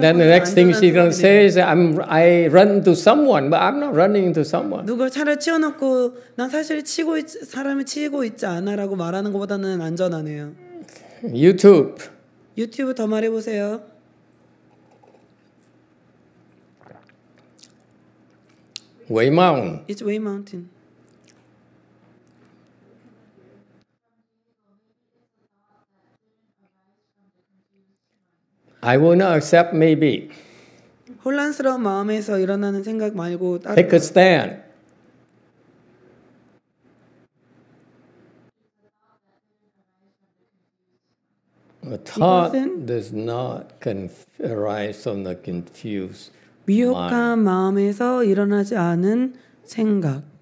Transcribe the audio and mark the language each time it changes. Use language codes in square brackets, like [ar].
[en] Then the next thing she's going to say is, I run into someone, but I'm not running into someone. [ko] 누굴 차를 치워놓고 난 사실 치고 있, 사람을 치고 있지 않아라고 말하는 것보다는 안전하네요. [en] YouTube. [ko] 유튜브 더 말해보세요. [en] Way mountain. It's way mountain. I will not accept maybe. [ko] 혼란스러운 마음에서 일어나는 생각 말고 [en] Take a stand. A thought does not arise from the confused. [ko] 미혹한 [en] mind. [ko] 마음에서 일어나지 않은 생각.